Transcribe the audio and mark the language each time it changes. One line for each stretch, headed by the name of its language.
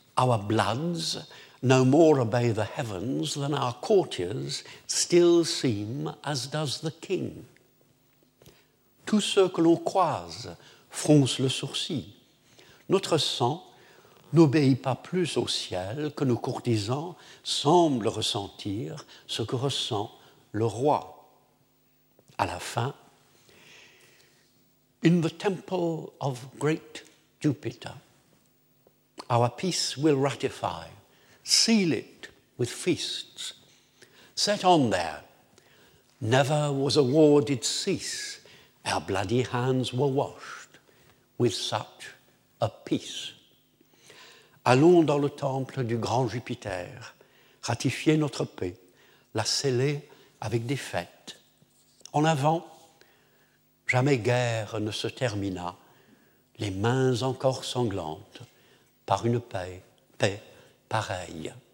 English: Our bloods no more obey the heavens than our courtiers still seem as does the king. »
French: Tous ceux que l'on croise froncent le sourcil. Notre sang n'obéit pas plus au ciel que nos courtisans semblent ressentir ce que ressent le roi. À la fin,
English: « In the temple of great Jupiter, our peace will ratify, seal it with feasts. Set on there, never was a war did cease, our bloody hands were washed with such a peace.
French: Allons dans le temple du grand Jupiter, ratifier notre paix, la sceller avec des fêtes. En avant, jamais guerre ne se termina, les mains encore sanglantes, par une paix pareille.